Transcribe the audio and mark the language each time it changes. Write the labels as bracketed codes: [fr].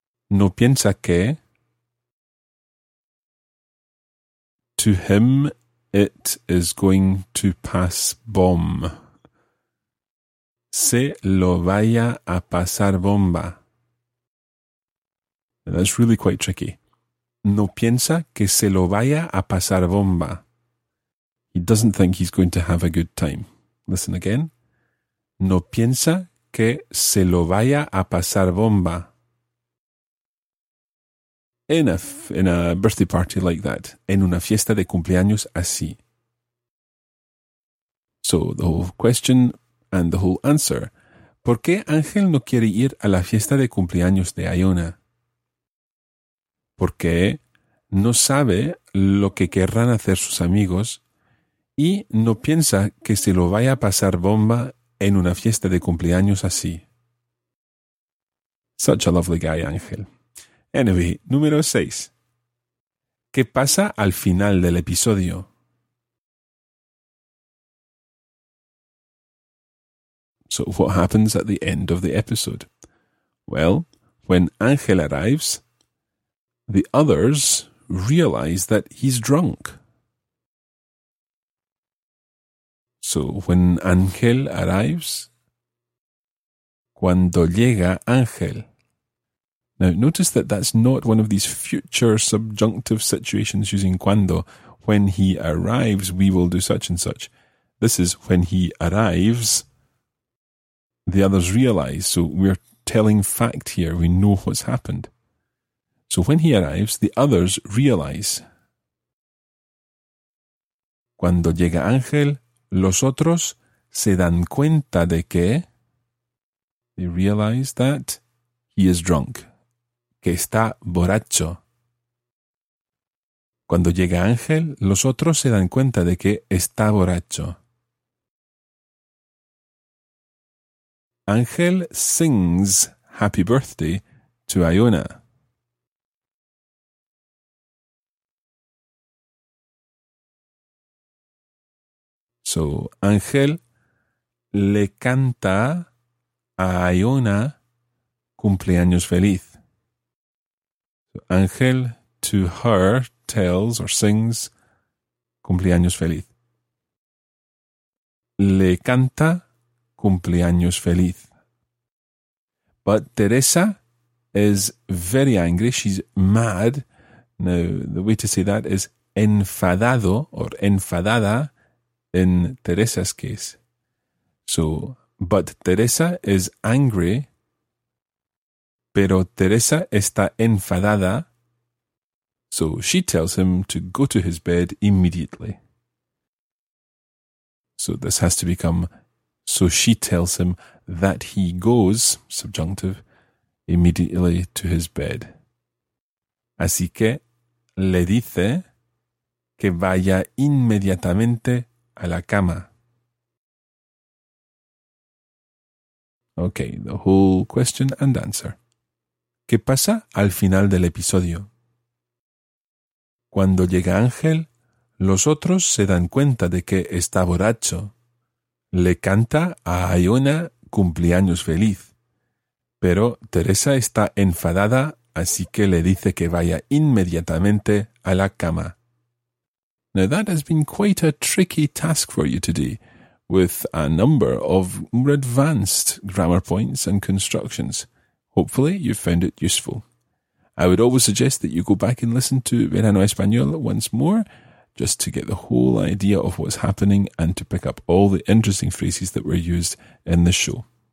[es] No piensa que [en] to him it is going to pass bomb. [es] Se lo vaya a pasar bomba. [en] And that's really quite tricky. [es] No piensa que se lo vaya a pasar bomba. [en] He doesn't think he's going to have a good time. Listen again. [es] No piensa que se lo vaya a pasar bomba. [en] In a birthday party like that. [es] En una fiesta de cumpleaños así. [en] So the whole question and the whole answer. [es] ¿Por qué Ángel no quiere ir a la fiesta de cumpleaños de Iona? Porque no sabe lo que querrán hacer sus amigos y no piensa que se lo vaya a pasar bomba en una fiesta de cumpleaños así. [en] Such a lovely guy, Ángel. Anyway, [es] número 6. ¿Qué pasa al final del episodio? [en] So, what happens at the end of the episode? Well, when Ángel arrives, the others realize that he's drunk. So, when Ángel arrives, [es] cuando llega Ángel. [en] Now, notice that that's not one of these future subjunctive situations using cuando. When he arrives, we will do such and such. This is when he arrives, the others realize. So, we're telling fact here. We know what's happened. So when he arrives, the others realize. [es] Cuando llega Ángel, los otros se dan cuenta de que [en] they realize that he is drunk, [es] que está borracho. Cuando llega Ángel, los otros se dan cuenta de que está borracho. [en] Ángel sings happy birthday to Iona. [es] So, Ángel le canta a Iona cumpleaños feliz. [en] So, Ángel to her tells or sings [es] cumpleaños feliz. Le canta cumpleaños feliz. [en] But Teresa is very angry. She's mad. Now, the way to say that is enfadado or enfadada in Teresa's case. So, but Teresa is angry. [es] Pero Teresa está enfadada. [en] So, she tells him to go to his bed immediately. So, this has to become, so she tells him that he goes, subjunctive, immediately to his bed. [es] Así que le dice que vaya inmediatamente a la cama. [en] Okay, the whole question and answer. [es] ¿Qué pasa al final del episodio? Cuando llega Ángel, los otros se dan cuenta de que está borracho. Le canta a Iona cumpleaños feliz. Pero Teresa está enfadada, así que le dice que vaya inmediatamente a la cama. [en] Now that has been quite a tricky task for you today, with a number of more advanced grammar points and constructions. Hopefully you found it useful. I would always suggest that you go back and listen to Verano Español once more, just to get the whole idea of what's happening and to pick up all the interesting phrases that were used in the show.